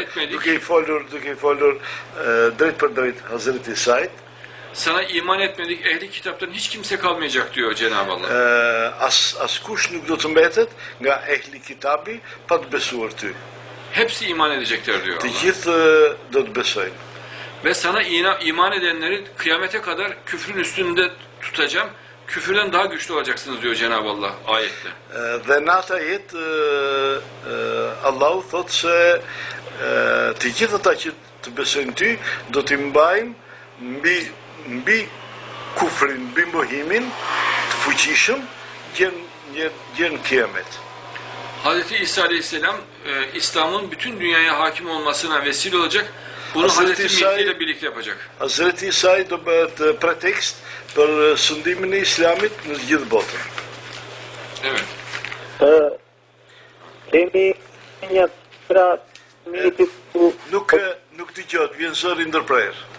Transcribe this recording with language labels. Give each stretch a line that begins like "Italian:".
Albanian: Duke i folur drejt për drejt Hazreti Said.
Turkish: Sana iman etmedik, ehli kitaptan hiç kimse kalmayacak diyor Cenab-ı Allah.
Albanian: As kush nuk do të mbetet nga ehli kitabi pa të besuar ty.
Turkish: Hepsi iman edecekler diyor Allah.
Albanian: Të gjithë do të besojnë.
Turkish: Ve sana iman edenleri kıyamete kadar küfrün üstünde tutacağım. Küfürden daha güçlü olacaksınız diyor Cenab-ı Allah ayette.
Albanian: Dhe në atë ayet Allahu thot se të gjithë ata që të besojnë ty do t'i mbajnë mbi kufrin, mbi mohimin të fuqishëm gjen kiamet.
Turkish: Hazreti İsa Aleyhisselam İslam'ın bütün dünyaya hakim olmasına vesile olacak. Bunu Hazreti Mehdi ile birlikte yapacak.
Albanian: Hazreti İsa do bëhet pretext për sundimin e Islamit në gjithë botën.
Turkish: Evet.
Albanian: Kemi një pyetje ku nuk dëgjohet, vjen zëri ndërprer.